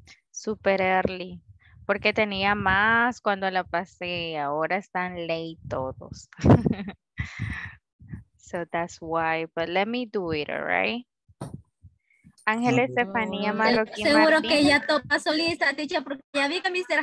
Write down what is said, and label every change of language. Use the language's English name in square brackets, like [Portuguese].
[English] super early, [Spanish] porque tenía más cuando la pasé. Ahora están late todos. [English] So that's why, but let me do it, all right? Ángel Estefanía Marroquín. [Spanish] Seguro Martín. Que ya todo pasó lista, teacher, porque ya vi que Mr.